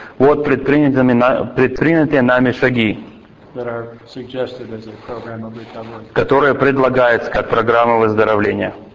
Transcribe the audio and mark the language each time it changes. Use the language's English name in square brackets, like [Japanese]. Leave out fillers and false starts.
[Russian] Вот предпринятые нами шаги. [English] That are suggested as a program of recovery. [Russian] Которая предлагается как программа выздоровления.